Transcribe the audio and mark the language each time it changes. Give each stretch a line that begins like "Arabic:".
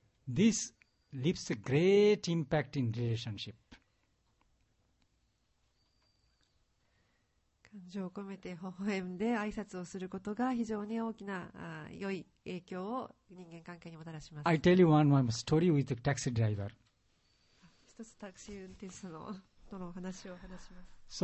English: This leaves a great impact in relationship.
Japanese: 感情を込めて微笑んで挨拶をすることが非常に大きな良い影響を人間関係にもたらします。
English: I tell you one more story with a taxi driver.
Japanese: 一つタクシー運転手のとの話を話します。